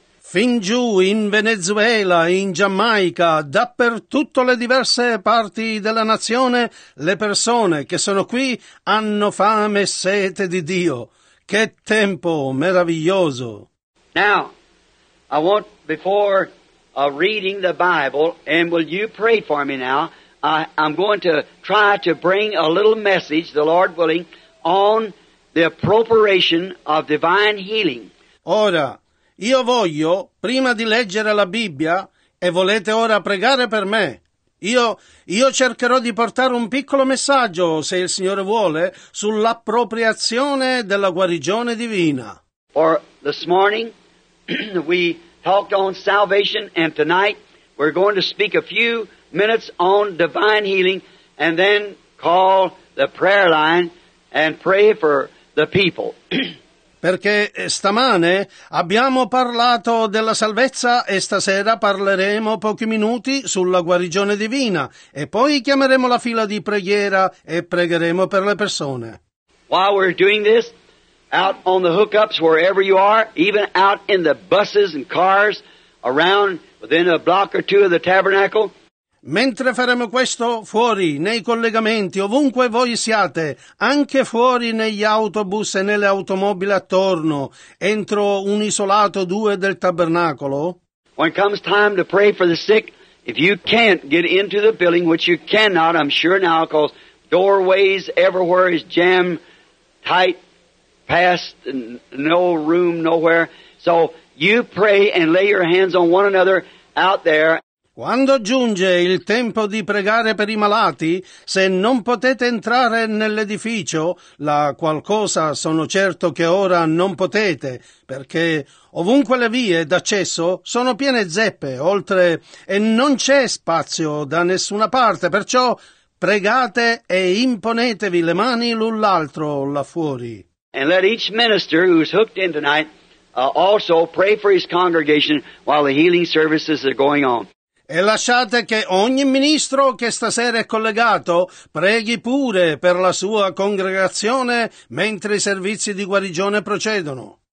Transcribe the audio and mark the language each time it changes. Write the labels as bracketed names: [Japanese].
[Italian] Fin giù in Venezuela, in Giamaica, dappertutto le diverse parti della nazione, le persone che sono qui hanno fame e sete di Dio. Che tempo meraviglioso. [English] Now, I want before reading the Bible, and will you pray for me now? I'm going to try to bring a little message, the Lord willing, on the appropriation of divine healing. [Italian] Ora, io voglio, prima di leggere la Bibbia, e volete ora pregare per me, io cercherò di portare un piccolo messaggio, se il Signore vuole, sull'appropriazione della guarigione divina. [English] For this morning we talked on salvation, and tonight we're going to speak a few minutes on divine healing, and then call the prayer line and pray for the people. [Italian] Perché stamane abbiamo parlato della salvezza e stasera parleremo pochi minuti sulla guarigione divina e poi chiameremo la fila di preghiera e pregheremo per le persone. [English] While we're doing this, out on the hookups, wherever you are, even out in the buses and cars, around within a block or two of the tabernacle, [Italian] Mentre faremo questo, fuori, nei collegamenti, ovunque voi siate, anche fuori negli autobus e nelle automobili attorno, entro un isolato due del tabernacolo, [English] when comes time to pray for the sick, if you can't get into the building, which you cannot, I'm sure now, because doorways everywhere is jammed tight, past, no room, nowhere. So you pray and lay your hands on one another out there. [Italian] Quando giunge il tempo di pregare per i malati, se non potete entrare nell'edificio, la qualcosa sono certo che ora non potete, perché ovunque le vie d'accesso sono piene zeppe, oltre, e non c'è spazio da nessuna parte, perciò pregate e imponetevi le mani l'un l'altro là fuori. [English] And let each minister who's hooked in tonight also pray for his congregation while the healing services are going on. [Italian] E lasciate che ogni ministro che stasera è collegato preghi pure per la sua congregazione mentre i servizi di guarigione procedono.